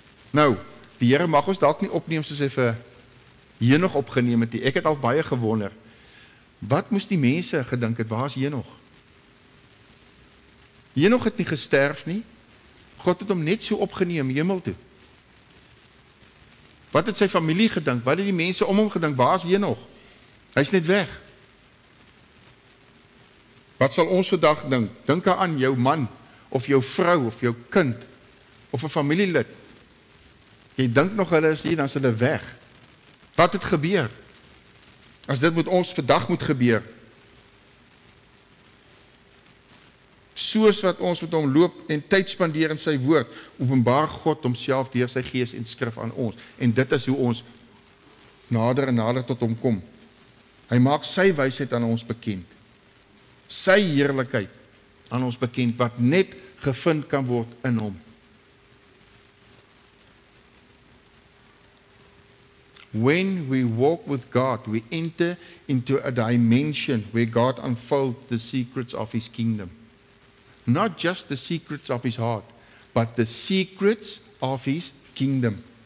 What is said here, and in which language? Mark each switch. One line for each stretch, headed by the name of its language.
Afrikaans: Nou, die Heere mag ons dat niet opneem soos hy vir Henog opgeneem het. Ek het al baie gewonder. Wat moest die mense gedink het? Waar is Henog? Henog het nie gesterf nie. God het hom net so opgeneem hemel toe. Wat het sy familie gedink? Wat het die mense om hom gedink? Waar is hy nog? Hy is net weg. Wat sal ons vandag dink? Dink aan jou man, of jou vrou, of jou kind, of een familielid. Jy dink nog hulle is hier, dan is hulle weg. Wat het gebeur? As dit met ons vandag moet gebeur. Soos wat ons met hom loop en tyd spandeer in sy woord, openbaar God homself deur sy gees en skrif aan ons. En dit is hoe ons nader en nader tot hom kom. Hy maak sy wysheid aan ons bekend. sy heerlijkheid aan ons bekend, wat net gevind kan worden in hom.
English: When we walk with God, we enter into a dimension where God unfolds the secrets of his kingdom. Not just the secrets of his heart, but the secrets of his kingdom.